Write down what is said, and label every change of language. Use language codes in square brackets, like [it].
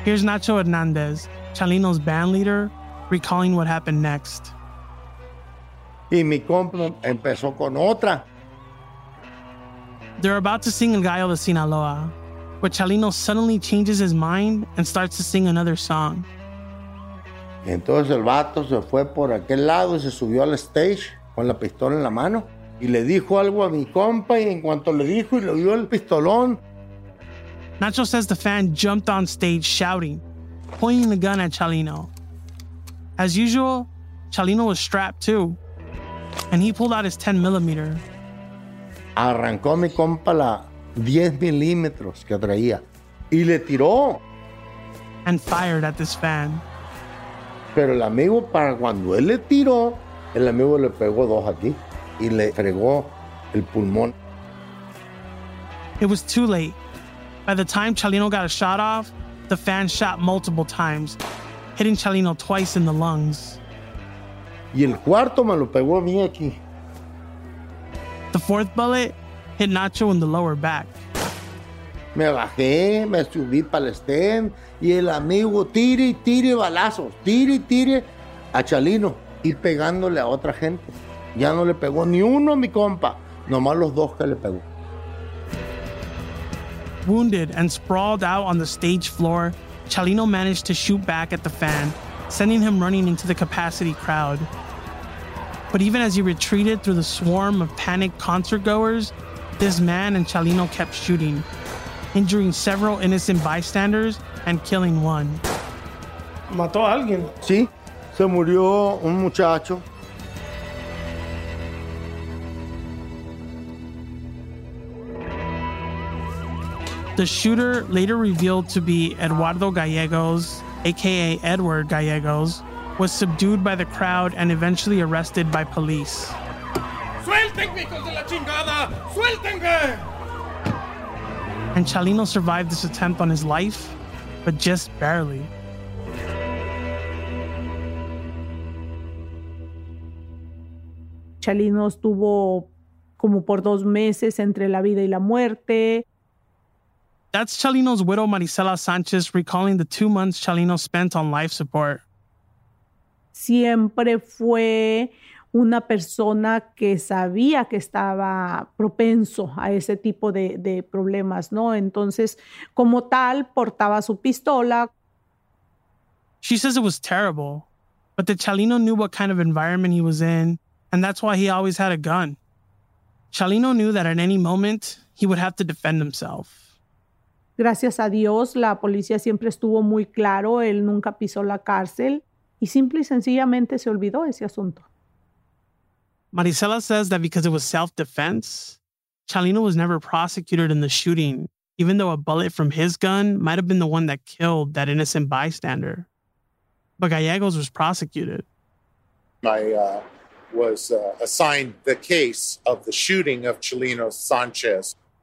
[en] Here's Nacho Hernandez, Chalino's band leader, recalling what happened next. [es] Y mi compa empezó con otra. [en] They're about to sing El Gallo de Sinaloa, but Chalino suddenly changes his mind and starts to sing another song. [es] Entonces el vato se fue por aquel lado y se subió al stage con la pistola en la mano. Y le dijo algo a mi compa, y en cuanto le dijo y le vio el pistolón. [en] Nacho says the fan jumped on stage shouting, pointing the gun at Chalino. As usual, Chalino was strapped too, and he pulled out his 10 millimeter. [es] Arrancó mi compa la 10 milímetros que traía, y le tiró. [en] And fired at this fan. [es] Pero el amigo, para cuando él le tiró, el amigo le pegó dos aquí. Y le fregó el pulmón. [en] It was too late. By the time Chalino got a shot off, the fan shot multiple times, hitting Chalino twice in the lungs. [es] Y el cuarto me lo pegó a mí aquí. [en] The fourth bullet hit Nacho in the lower back. [es] Me bajé, me subí para el stand, y el amigo tire y tire balazos, tire y tire a Chalino, y pegándole a otra gente. Ya no le pegó ni uno a mi compa, nomás los dos que le pegó. [en] Wounded and sprawled out on the stage floor, Chalino managed to shoot back at the fan, sending him running into the capacity crowd. But even as he retreated through the swarm of panicked concert-goers, this man and Chalino kept shooting, injuring several innocent bystanders and killing one. [es] ¿Mató a alguien? Sí, se murió un muchacho. [en] The shooter, later revealed to be Eduardo Gallegos, aka Edward Gallegos, was subdued by the crowd and eventually arrested by police. [es] Suéltenme, hijos de la chingada! Suéltenme! [en] And Chalino survived this attempt on his life, but just barely. [es] Chalino estuvo como por dos meses entre la vida y la muerte. [en] That's Chalino's widow, Marisela Sanchez, recalling the 2 months Chalino spent on life support. [es] Siempre fue una persona que sabía que estaba propenso a ese tipo de problemas, ¿no? Entonces, como tal, portaba su pistola. [en] She says it was terrible, but that Chalino knew what kind of environment he was in, and that's why he always had a gun. Chalino knew that at any moment, he would have to defend himself. [es] Gracias a Dios, la policía siempre estuvo muy claro, él nunca pisó la cárcel y simple y sencillamente se olvidó ese asunto. [en] Marisela says that because it was self-defense, Chalino was never prosecuted in the shooting, even though a bullet from his gun might have been the one that killed that innocent bystander. But Gallegos was prosecuted. I was assigned the case of the shooting of Chalino Sanchez.